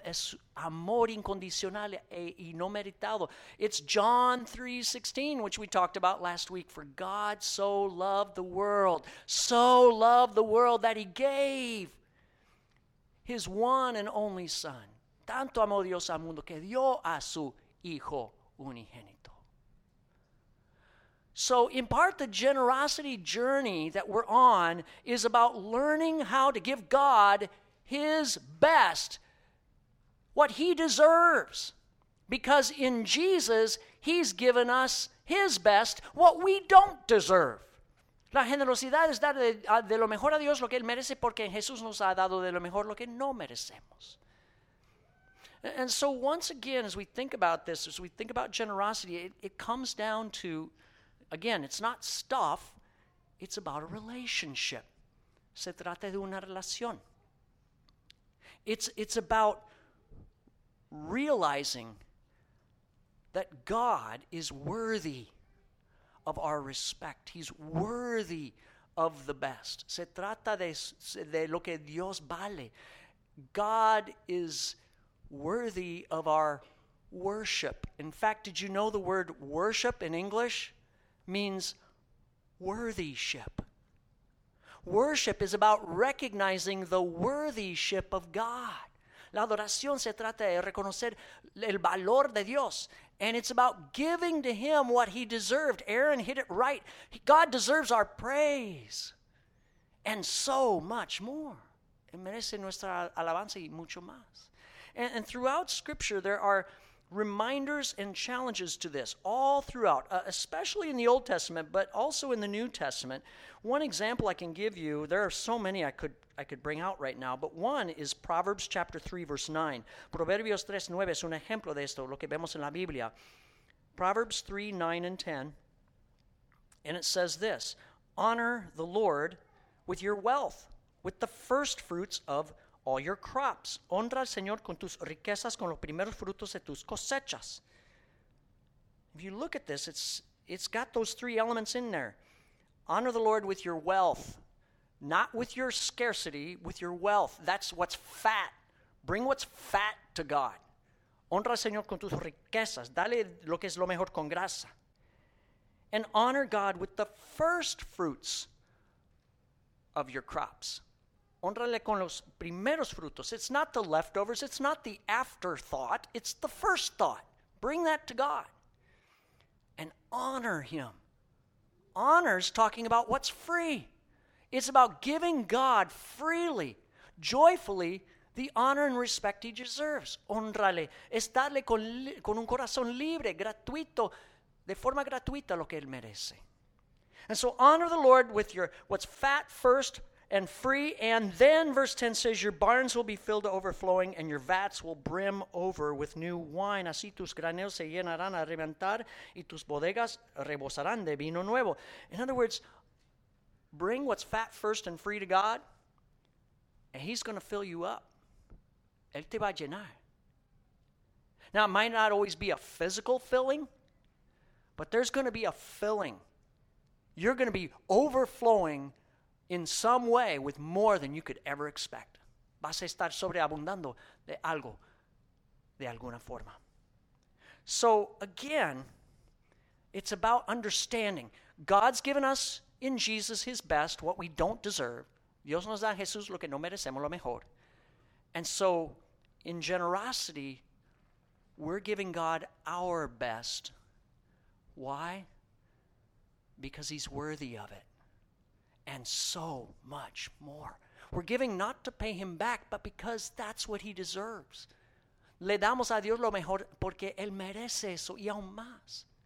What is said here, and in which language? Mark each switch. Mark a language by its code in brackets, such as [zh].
[es] Es amor incondicional y no meritado. [en] It's John 3:16, which we talked about last week. For God so loved the world that he gave his one and only Son. [es] Tanto amó Dios al mundo que dio a su Hijo unigénito. [en] So in part, the generosity journey that we're on is about learning how to give God his best, what he deserves. Because in Jesus, he's given us his best, what we don't deserve. [es] La generosidad es dar de lo mejor a Dios lo que él merece, porque en Jesús nos ha dado de lo mejor lo que no merecemos. [en] And so once again, as we think about this, as we think about generosity, it comes down to, again, it's not stuff, it's about a relationship. [es] Se trata de una relación. [en] It's about realizing that God is worthy of our respect. He's worthy of the best. [es] Se trata de lo que Dios vale. [en] God is worthy of our worship. In fact, did you know the word worship in English means worthyship? Worship is about recognizing the worthyship of God. [es] La adoración se trata de reconocer el valor de Dios. [en] And it's about giving to him what he deserved. Aaron hit it right. God deserves our praise. And so much more. [es] Él merece nuestra alabanza y mucho más. [en] And throughout Scripture, there are reminders and challenges to this all throughout, especially in the Old Testament, but also in the New Testament. One example I can give you, there are so many I could bring out right now, but one is Proverbs chapter 3, verse 9. [es] Proverbios 3, 9 es un ejemplo de esto, lo que vemos en la Biblia. [en] Proverbs 3, 9 and 10, and it says this: honor the Lord with your wealth, with the first fruits of all your crops. [es] Honra al Señor con tus riquezas, con los primeros frutos de tus cosechas. [en] If you look at this, it's got those three elements in there. Honor the Lord with your wealth, not with your scarcity, with your wealth. That's what's fat. Bring what's fat to God. [es] Honra al Señor con tus riquezas. Dale lo que es lo mejor con grasa. [en] And honor God with the first fruits of your crops. [es] Honrale con los primeros frutos. [en] It's not the leftovers. It's not the afterthought. It's the first thought. Bring that to God. And honor him. Honor is talking about what's free. It's about giving God freely, joyfully, the honor and respect he deserves. [es] Honrale. Es darle con un corazón libre, gratuito, de forma gratuita lo que él merece. [en] And so honor the Lord with your what's fat first and free. And then verse 10 says, your barns will be filled to overflowing and your vats will brim over with new wine. [es] Así tus graneros se llenarán a reventar y tus bodegas rebosarán de vino nuevo. [en] In other words, bring what's fat first and free to God and he's going to fill you up. [es] Él te va a llenar. [en] Now, it might not always be a physical filling, but there's going to be a filling. You're going to be overflowing in some way with more than you could ever expect. [es] Vas a estar sobreabundando de algo, de alguna forma. [en] So again, it's about understanding. God's given us in Jesus his best, what we don't deserve. [es] Dios nos da a Jesús lo que no merecemos, lo mejor. [en] And so in generosity, we're giving God our best. Why? Because he's worthy of it. And so much more. We're giving not to pay him back, but because that's what he deserves. [es] Le damos a Dios lo mejor porque él merece eso y aún más.